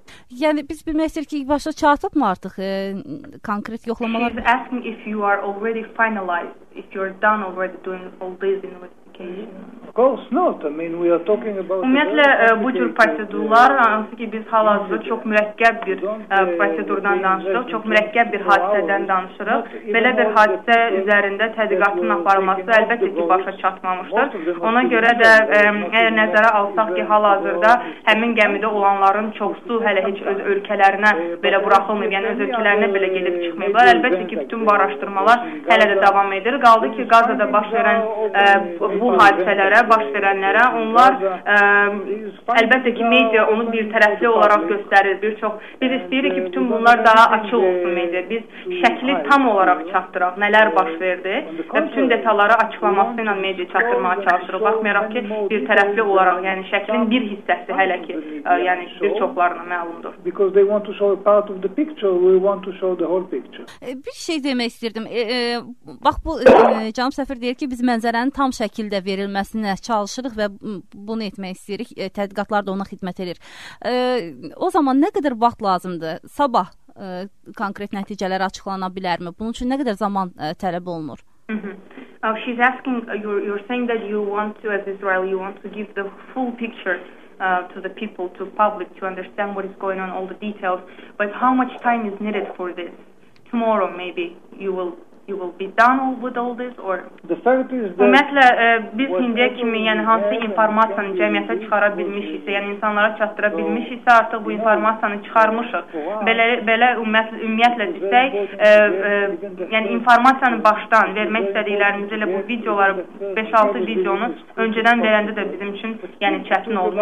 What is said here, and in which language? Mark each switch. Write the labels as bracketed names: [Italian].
[Azerbaijani] Yəni, biz bilmək istəyirik ki, başa çatıb mı artıq konkret yoxlamalar? [English] He is asking if you are already finalized, if you are done already doing all this investigation. Of course not. I mean, we are talking about... [Azerbaijani] Ümumiyyətlə, bu cür prosedurlar, hansı ki, biz hal-hazırda çox mürəkkəb bir prosedurdan danışırıq, çox mürəkkəb bir hadisədən danışırıq. Belə bir hadisə üzərində tədqiqatın aparılması əlbəttə ki, başa çatmamışdır. Ona görə də əgər nəzərə alsaq ki, hal-hazırda həmin gəmidə olanların çoxu hələ heç öz ölkələrinə belə buraxılmayıb, yəni öz ölkələrinə belə gedib çıxmayıblar. Əlbəttə ki, bütün bu araşdırmalar hələ də davam edir. Qaldı ki, Qazada baş verən bu hadisələrə, baş verənlərə onlar əlbəttə ki, media onu bir tərəfli olaraq göstərir. Bir çox, biz istəyirik ki, bütün bunlar daha açıq olsun media. Biz şəkli tam olaraq çatdıraq, nələr baş verdi və bütün detalları açıqlaması ilə media çatdırmağa çalışırıq. Baxmayaraq ki, bir tərəfli olaraq, yəni şəklin bir hissəsi hələ ki, yəni bir çoxlarına məlumdur. [English] Because they want to show a part of the picture, we want to show the whole picture. [Azerbaijani] Bir şey demək istəyirdim. Bax, bu canım səfir deyir ki, biz mənzərənin tam şəkildə verilməsinə çalışırıq və bunu etmək istəyirik. Tədqiqatlar da ona xidmət edir. O zaman nə qədər vaxt lazımdır? Sabah konkret nəticələr açıqlana bilərmi? Bunun üçün nə qədər zaman tələb olunur? [English] She's asking, you're saying that you want to, as Israel, you want to give the full picture to the people, to public, to understand what is going on, all the details. But how much time is needed for this? Tomorrow, maybe, you will you will be done all with all this or the fact is that [Azerbaijani] ümumiyyətlə biz indiyə kimi yəni hansı informasiyanı cəmiyyətə çıxara bilmiş isə, yəni insanlara çatdıra bilmiş isə artıq bu informasiyanı çıxarmışıq. Belə ümumiyyətlə desək, yəni informasiyanı başdan vermək istədiklərimiz ilə bu videoları 5-6 videonu öncədən verəndə də bizim üçün yəni çətin oldu.